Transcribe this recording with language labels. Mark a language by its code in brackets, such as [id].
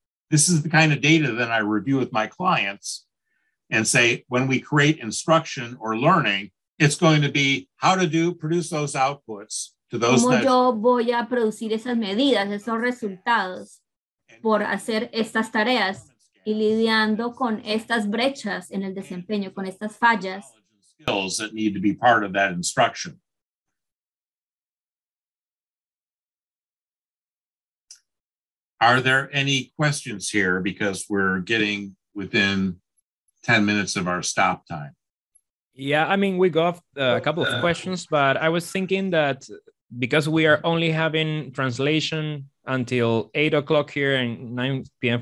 [en] this is the kind of data that I review with my clients and say, when we create instruction or learning, it's going to be how to do produce those outputs to those. [es] ¿Cómo yo voy a producir esas medidas, esos resultados por hacer estas tareas y lidiando con estas brechas en el desempeño, con estas fallas? [en] Skills that need to be part of that instruction. Are there any questions here? Because we're getting within 10 minutes of our stop time. Yeah, I mean, we got a couple of questions, but I was thinking that because we are only having translation until 8 o'clock here and 9 p.m.